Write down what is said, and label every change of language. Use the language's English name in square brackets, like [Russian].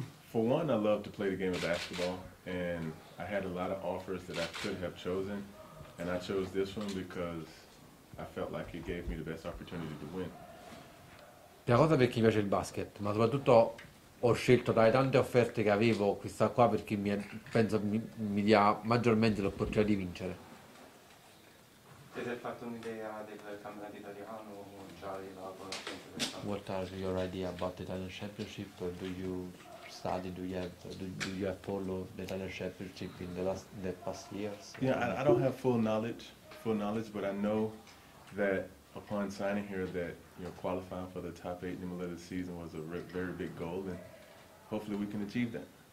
[English] For one, I love to play the game of basketball, and I had a lot of offers that I could have chosen, and I chose this one because I felt like it gave me the best opportunity to win. [Italian] Prima cosa perché mi piace il basket, ma soprattutto ho scelto tra le tante offerte che avevo questa qua perché penso mi dia maggiormente l'opportunità di vincere. Ti sei fatto un'idea del campionato italiano o già arrivato con la gente? [English] What are your idea about the Italian Championship? Do you study? Do you have followed the Italian Championship in the past years? Yeah, I don't have full knowledge, but I know that upon signing here, that qualifying for the top 8 in the middle of the season was a very big goal, and hopefully we can achieve that.